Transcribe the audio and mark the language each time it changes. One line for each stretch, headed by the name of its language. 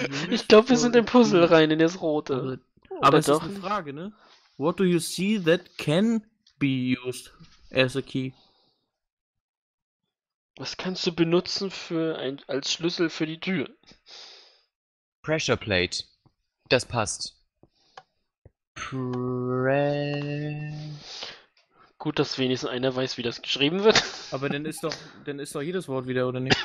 German: Ich glaube, wir sind in Puzzle rein, in das Rote. Aber das ist eine Frage, ne?
English: What do you see that can be used as a key?
German: Was kannst du benutzen als Schlüssel für die Tür? Pressure Plate. Das passt. Gut, dass wenigstens einer weiß, wie das geschrieben wird. Aber dann ist doch jedes Wort wieder, oder nicht?